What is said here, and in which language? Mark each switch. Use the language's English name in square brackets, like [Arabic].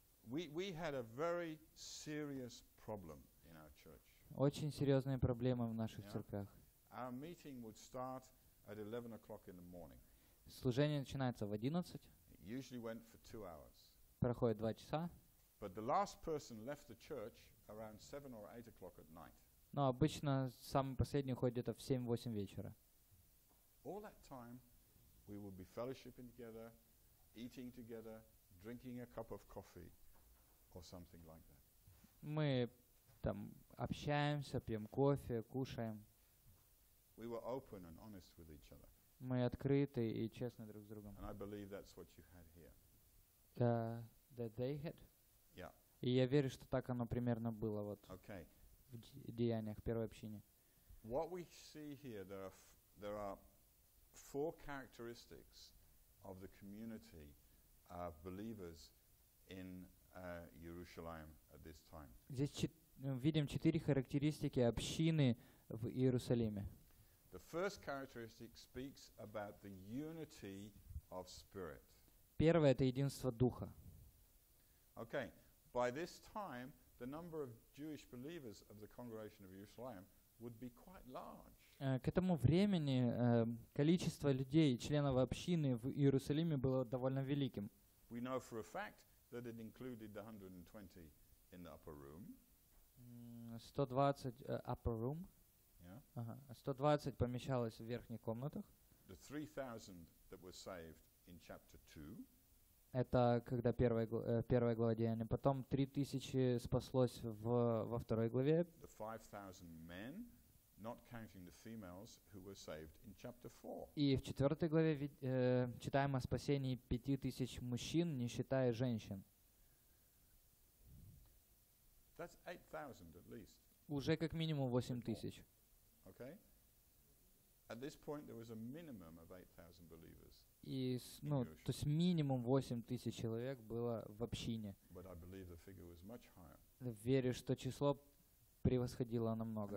[English] We had a very serious problem in our church. [Russian] Очень серьезные проблемы в наших церквях. [English] Our meeting would start at 11 o'clock in the morning. [Russian] Служение начинается в 11. [English] It usually went for 2 hours. [Russian] Проходит 2 часа. [English] But the last person left the church around 7 or 8 o'clock at night. [Russian] Но обычно самый последний уходит где-то в 7-8 вечера. [English] All that time we would be fellowshipping together, eating together, drinking a cup of coffee or something like that. [Russian] Мы там общаемся, пьем кофе, кушаем. [English] We were open and honest with each other. [Russian] Мы открыты и честны друг с другом. [English] And I believe that's what you had here. That they had? Yeah. [Russian] И я верю, что так оно примерно было вот. [English] Okay. [Russian] В деяниях первой общины. [English] What we see here, there are 4 characteristics. Of the community of believers in Jerusalem at this time. [Russian] Здесь видим 4 характеристики общины в Иерусалиме. [English] The first characteristic speaks about the unity of spirit. [Russian] Первое — это единство духа. [English] Okay, by this time the number of Jewish believers of the congregation of Jerusalem would be quite large. [Russian] К этому времени количество людей, членов общины в Иерусалиме было довольно великим. [English] We know for a fact that it included the 120 in the upper room. 120 upper room. Yeah. [Russian] 120 помещалось в верхних комнатах. [English] The 3,000 that were saved in chapter 2. [Russian] Это когда первая глава Деяния. Потом 3,000 спаслось во второй главе. [English] The 5,000 men. Not counting the females who were saved in chapter 4. [Russian] И в 4 главе читаем о спасении 5,000 мужчин, не считая женщин. [English] That's 8,000 at least. [Russian] Уже как минимум 8,000. [English] Okay. At this point there was a minimum of 8,000 believers. [Russian] И, ну, то есть минимум 8,000 человек было в общине. [English] But I believe the figure was much higher. [Russian] Верю, что число превосходило намного.